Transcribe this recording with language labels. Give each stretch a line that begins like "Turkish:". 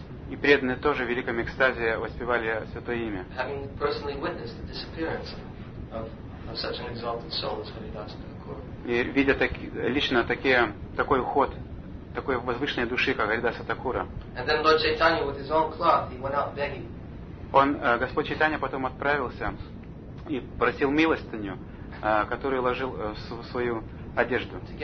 Russian: И преданные тоже в великом экстазе воспевали Святое Имя.
English: Having personally witnessed the disappearance of such an exalted soul as Haridasa Thakur.
Russian: И видя лично такой уход, такой возвышенной души, как Харидаса Такура.
English: And then Lord Chaitanya with his own cloth, he went out begging.
Russian: Господь Чайтанья потом отправился и просил милостыню, которую ложил в свою одежду.